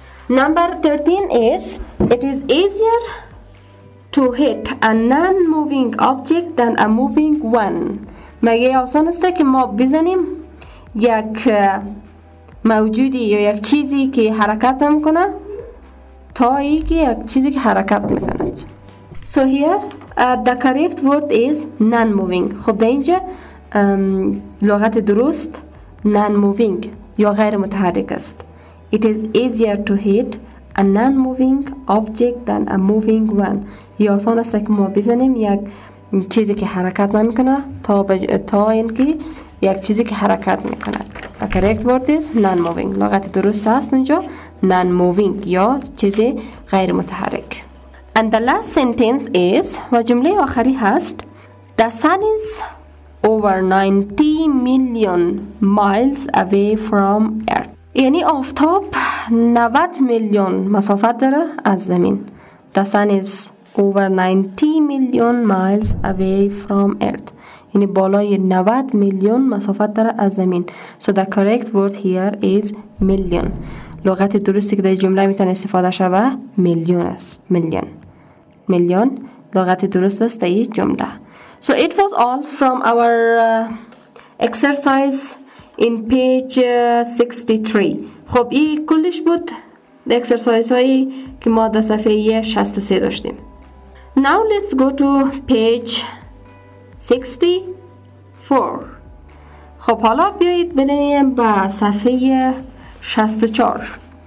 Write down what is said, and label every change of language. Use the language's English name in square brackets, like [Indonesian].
[English] Number 13 is it is easier to hit a non-moving object than a moving one. [Persian] مگه آسان است که ما بزنیم یک موجودی یا یک چیزی که حرکت میکنه تا اینکه یک چیزی که حرکت میکنه. [English] So here the correct word is non-moving. [Persian] خب در اینجا لغت درست non-moving یا غیر متحرک است. [English] It is easier to hit a non-moving object than a moving one. [Persian] یا آسان است که ما بزنیم یک چیزی که حرکت نمیکنه تا اینکه یک چیزی که حرکت میکنه. [English] The correct word is non-moving. [Persian] لغت درست است اینجا non-moving یا چیزی غیر متحرک. [English] And the last sentence is [Persian] و جمله آخری هست [English] The sun is over 90 million miles away from Earth. [Persian] یعنی آفتاب 90 میلیون مسافت داره از زمین. [English] The sun is over 90 million miles away from Earth. [Persian] یعنی بالای 90 میلیون مسافت داره از زمین. [English] So the correct word here is million. [Persian] لغت درستی که در جمله میتونه استفاده شوه میلیون است. میلیون. میلیون لغت درست است در این جمله. [English] So it was all from our exercise in page 63. [Persian] خب این کلش بود اکسرسایز هایی که ما در صفحه 63 داشتیم. [English] Now let's go to page 64. [Persian] خب حالا بیایید بنویم به صفحه 64.